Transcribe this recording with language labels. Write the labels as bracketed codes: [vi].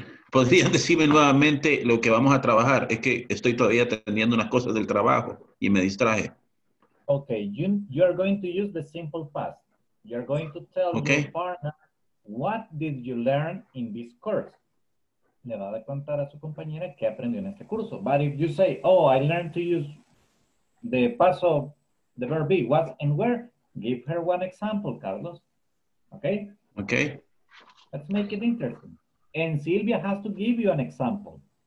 [es] ¿Podrías decirme nuevamente lo que vamos a trabajar? Es que estoy todavía teniendo unas cosas del trabajo y me distraje. [en] Okay, you are going to use the simple past. You're going to tell okay. your partner, what did you learn in this course? [es] Le va a contar a su compañera qué aprendió en este curso. [en] But if you say, oh, I learned to use the past of the verb be, what and where, give her one example, Carlos. Okay? Okay. Let's make it interesting. And Silvia has to give you an example.